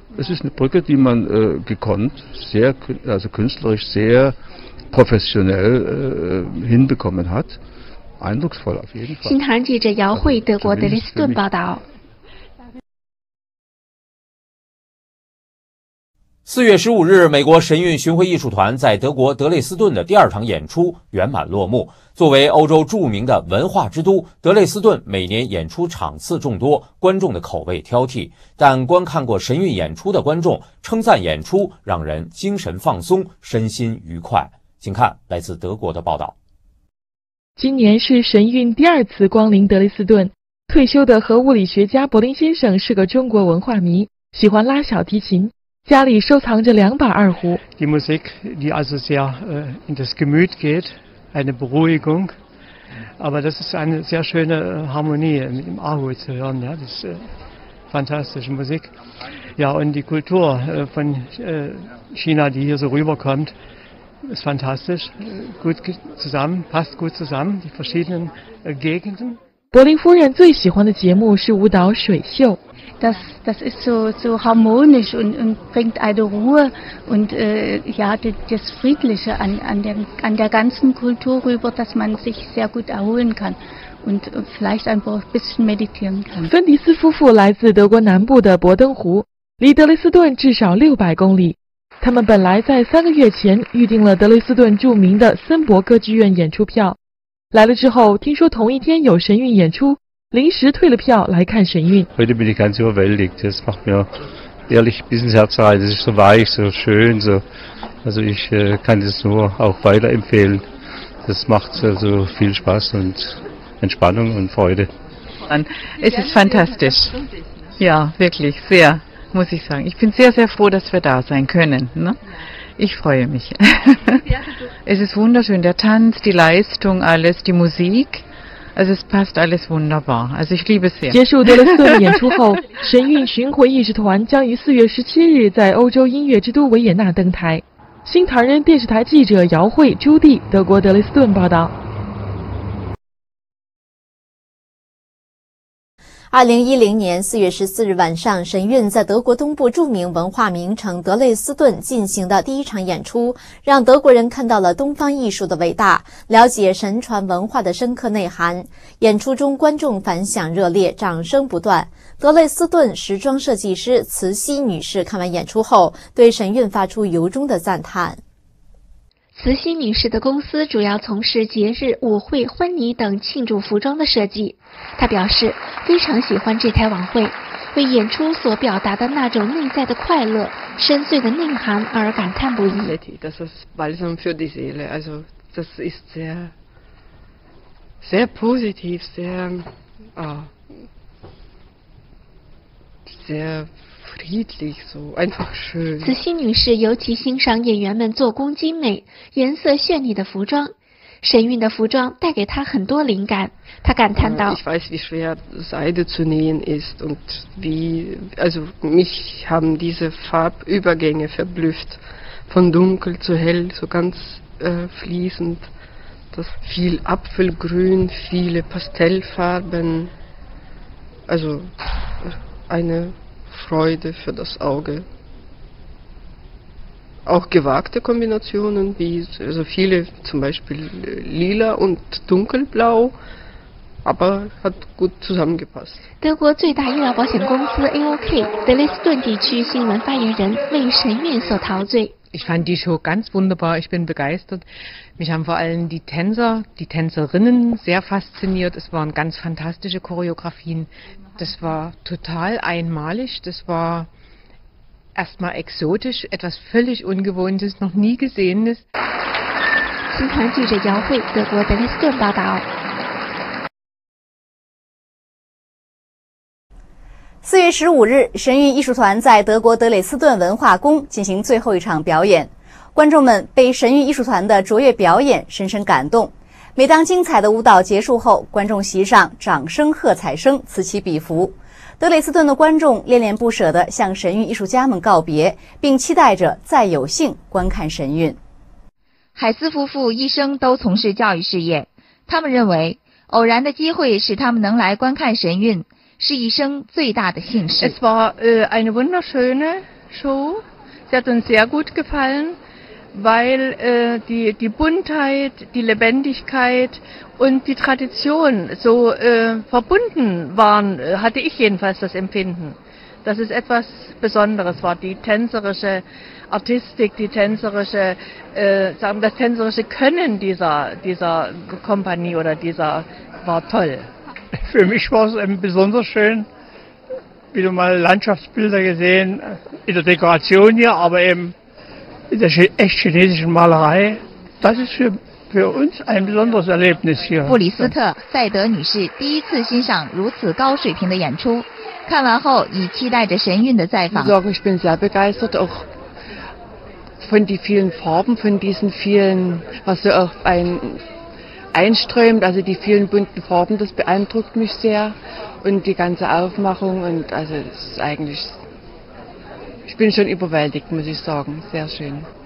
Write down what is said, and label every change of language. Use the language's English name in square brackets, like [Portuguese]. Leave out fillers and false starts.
[German] Es ist eine Brücke, die man gekonnt, sehr, also künstlerisch sehr professionell hinbekommen hat. Eindrucksvoll auf jeden Fall. [Chinese] 新唐记者姚慧，德国德累斯顿报道。 4月15日，美国神韵巡回艺术团在德国德累斯顿的第二场演出圆满落幕。作为欧洲著名的文化之都，德累斯顿每年演出场次众多，观众的口味挑剔，但观看过神韵演出的观众称赞演出让人精神放松，身心愉快。请看来自德国的报道。今年是神韵第二次光临德累斯顿。退休的核物理学家柏林先生是个中国文化迷，喜欢拉小提琴，家里收藏着两把二胡。 [German] Die Musik, die also sehr in das Gemüt geht, eine Beruhigung, aber das ist eine sehr schöne Harmonie mit dem Ahu zu hören, ja, das ist fantastische Musik. Ja, und die Kultur von China, die hier so rüberkommt, ist fantastisch, gut zusammen, passt gut zusammen, die verschiedenen Gegenden. [Chinese] 柏林夫人最喜欢的节目是舞蹈《水秀》。 [German] Das ist so harmonisch und bringt eine Ruhe und ja das Friedliche an der ganzen Kultur rüber, dass man sich sehr gut erholen kann und vielleicht einfach ein bisschen meditieren kann. [Chinese] 芬迪斯夫妇来自德国南部的伯登湖，离德累斯顿至少600公里。他们本来在三个月前预订了德累斯顿著名的森伯歌剧院演出票。来了之后，听说同一天有神韵演出，临时退了票来看神韵。 [German] Heute bin ich ganz überwältigt. Das macht mir ehrlich ein bisschen Herzrasen. Es ist so weich, so schön. So. Also ich kann es nur auch weiterempfehlen. Das macht so viel Spaß und Entspannung und Freude. Es ist fantastisch. Ja, wirklich sehr, muss ich sagen. Ich bin sehr, sehr froh, dass wir da sein können. Ne? Ich freue mich. Es ist wunderschön, der Tanz, die Leistung, alles, die Musik. Also es passt alles wunderbar. Also ich liebe es sehr. [Chinese] 结束德累斯顿演出后，神韵巡回艺术团将于4月17日在欧洲音乐之都维也纳登台。新唐人电视台记者姚慧、朱棣，德国德累斯顿报道。 2010年4月14日晚上，神韵在德国东部著名文化名城德累斯顿进行的第一场演出，让德国人看到了东方艺术的伟大，了解神传文化的深刻内涵。演出中观众反响热烈，掌声不断。德累斯顿时装设计师慈溪女士看完演出后，对神韵发出由衷的赞叹。慈心女士的公司主要从事节日、舞会、婚礼等庆祝服装的设计。她表示，非常喜欢这台晚会，为演出所表达的那种内在的快乐、深邃的内涵而感叹不已。 [German] Das ist Balsam für die Seele. Also das ist sehr, sehr positiv, sehr friedlich, so einfach schön. [Chinese] 慈心女士尤其欣赏演员们做工精美、颜色绚丽的服装。神韵的服装带给她很多灵感。她感叹道 [German] ：“Ich weiß, wie schwer Seide zu nähen ist und wie, also mich haben diese Farbübergänge verblüfft, von dunkel zu hell, so ganz fließend. Das viel Apfelgrün, viele Pastellfarben, also eine.” Freude für das Auge. Auch gewagte Kombinationen, wie so viele zum Beispiel lila und dunkelblau, aber hat gut zusammengepasst. [Chinese] 德国最大医疗保险公司 AOK 德累斯顿地区新闻发言人为神韵所陶醉。 [German] Ich fand die Show ganz wunderbar, ich bin begeistert. Mich haben vor allem die Tänzer, die Tänzerinnen sehr fasziniert. Es waren ganz fantastische Choreografien. Das war total einmalig, das war erstmal exotisch, etwas völlig Ungewohntes, noch nie Gesehenes. [Chinese] 新唐记者姚慧，德国德累斯顿报道。 4月15日，神韵艺术团在德国德累斯顿文化宫进行最后一场表演。观众们被神韵艺术团的卓越表演深深感动。每当精彩的舞蹈结束后，观众席上掌声、喝彩声此起彼伏。德累斯顿的观众恋恋不舍地向神韵艺术家们告别，并期待着再有幸观看神韵。海斯夫妇一生都从事教育事业，他们认为偶然的机会使他们能来观看神韵是一生最大的幸事。 [German] Es war eine wunderschöne Show. Sie hat uns sehr gut gefallen, weil die Buntheit, die Lebendigkeit und die Tradition so verbunden waren, hatte ich jedenfalls das Empfinden. Das ist etwas Besonderes, war die tänzerische Artistik, die tänzerische, sagen das tänzerische Können dieser Kompanie oder dieser war toll. Für mich war es besonders schön, wieder mal Landschaftsbilder gesehen, in der Dekoration hier, aber eben in der echt chinesischen Malerei. Das ist für uns ein besonderes Erlebnis hier. [Chinese] 布里斯特·塞德女士第一次欣赏如此高水平的演出，看完后已期待着神韵的再访。 [German] Ich bin sehr begeistert auch von den vielen Farben, von diesen vielen, was so auch ein... einströmt, also die vielen bunten Farben, das beeindruckt mich sehr und die ganze Aufmachung und also es ist eigentlich, ich bin schon überwältigt, muss ich sagen, sehr schön.